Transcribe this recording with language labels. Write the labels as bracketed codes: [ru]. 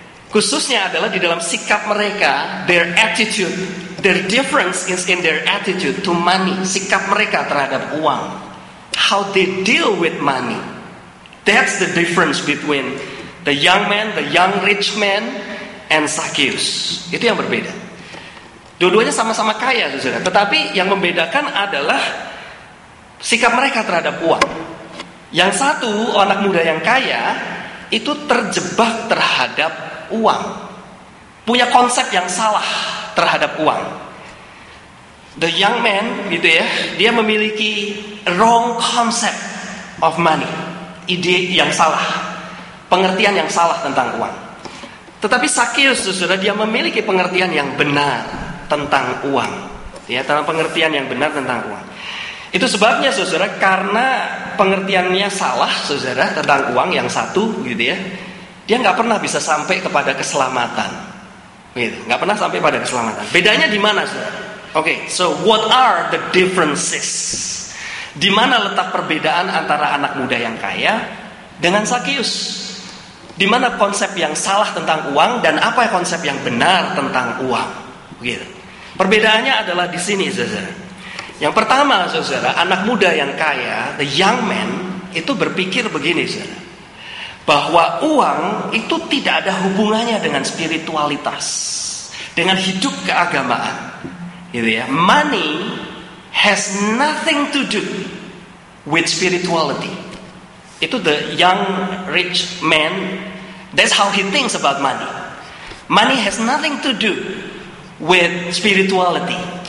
[id] Khususnya adalah di dalam sikap mereka, [en] their attitude, their difference is in their attitude to money. [id] Sikap mereka terhadap uang, [en] how they deal with money. That's the difference between the young man, the young rich man, and Zacchaeus. [id] Itu yang berbeda. Dua-duanya sama-sama kaya, saudara. Tetapi yang membedakan adalah sikap mereka terhadap uang. Yang satu, anak muda yang kaya, itu terjebak terhadap uang, punya konsep yang salah terhadap uang. [en] The young man, [id] gitu ya, dia memiliki [en] wrong concept of money, [id] ide yang salah, pengertian yang salah tentang uang. Tetapi Zacchaeus, saudara, dia memiliki pengertian yang benar tentang uang, ya, dalam pengertian yang benar tentang uang. Itu sebabnya, saudara, karena pengertiannya salah, saudara, tentang uang yang satu, gitu ya. Dia nggak pernah bisa sampai kepada keselamatan, gitu. Nggak pernah sampai pada keselamatan. Bedanya di mana, saudara? [en] Okay, so what are the differences? [id] Di mana letak perbedaan antara anak muda yang kaya dengan Zacchaeus? Di mana konsep yang salah tentang uang dan apa konsep yang benar tentang uang? Gitu. Perbedaannya adalah di sini, saudara. Yang pertama, saudara, anak muda yang kaya, [en] the young man, [id] itu berpikir begini, saudara. Bahwa uang itu tidak ada hubungannya dengan spiritualitas, dengan hidup keagamaan, gitu ya. [en] Money has nothing to do with spirituality. Itu the young rich man, that's how he thinks about money. Money has nothing to do with spirituality.